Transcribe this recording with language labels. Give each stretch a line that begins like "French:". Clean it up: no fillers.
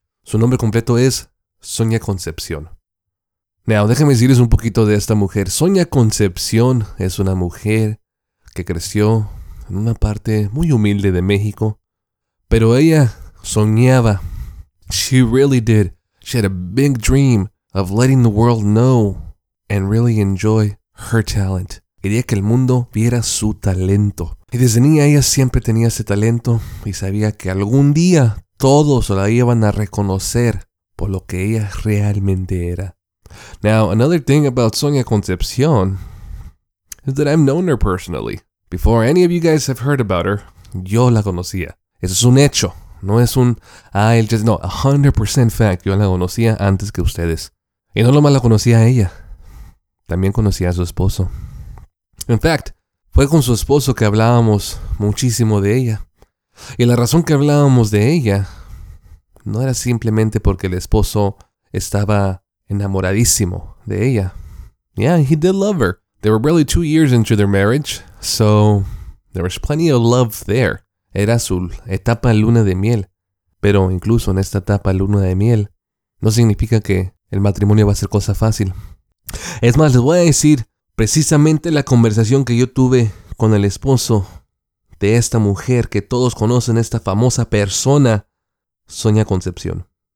Spanish: Su nombre completo es Sonia Concepción. Now, déjenme decirles un poquito de esta mujer. Sonia Concepción es una mujer que creció en una parte muy humilde de México, pero ella soñaba.
English: She really did. She had a big dream of letting the world know and really enjoy her talent.
Spanish: Quería que el mundo viera su talento. Y desde niña ella siempre tenía ese talento y sabía que algún día todos la iban a reconocer por lo que ella realmente era.
English: Now, another thing about Sonia Concepción is that I've known her personally. Before any of you guys have heard about her,
Spanish: yo la conocía. Eso es un hecho. No es un, no,
English: 100% fact.
Spanish: Yo la conocía antes que ustedes. Y no lo más la conocía a ella. También conocía a su esposo.
English: In fact,
Spanish: fue con su esposo que hablábamos muchísimo de ella. Y la razón que hablábamos de ella no era simplemente porque el esposo estaba enamoradísimo de ella.
English: Yeah, he did love her. They were barely 2 years into their marriage, so there was plenty of love there.
Spanish: Era su etapa luna de miel. Pero incluso en esta etapa luna de miel, no significa que el matrimonio va a ser cosa fácil. Es más, les voy a decir precisamente la conversación que yo tuve con el esposo de esta mujer que todos conocen, esta famosa persona, Sonia Concepción.